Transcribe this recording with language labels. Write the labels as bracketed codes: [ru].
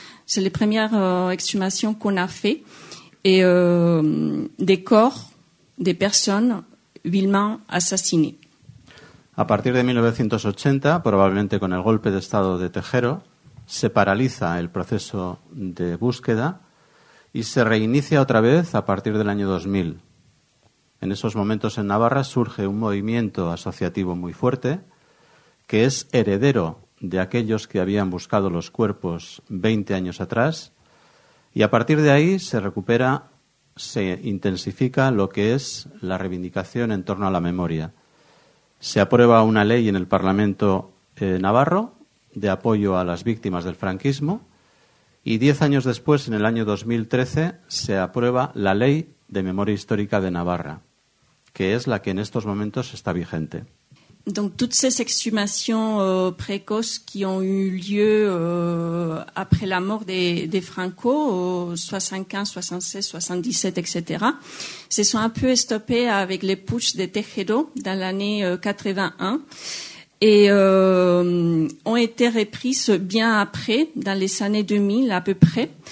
[fr] C'est les premières exhumations qu'on a fait. Et des corps, des personnes vilement assassinées. [es] A partir de 1980, probablemente con el golpe de Estado de Tejero, se paraliza el proceso de búsqueda y se reinicia otra vez a partir del año 2000. En esos momentos en Navarra surge un movimiento asociativo muy fuerte que es heredero de aquellos que habían buscado los cuerpos 20 años atrás y a partir de ahí se recupera, se intensifica lo que es la reivindicación en torno a la memoria. Se aprueba una ley en el Parlamento navarro de apoyo a las víctimas del franquismo y 10 años después, en el año 2013, se aprueba la Ley de Memoria Histórica de Navarra, que es la que en estos momentos está vigente. [fr] Donc toutes ces exhumations précoces qui ont eu lieu après la mort de Franco, 75, 76, 77, etc., se sont un peu stoppées avec les putschs de Tejero dans l'année 81 et ont été reprises bien après, dans les années 2000 à peu près.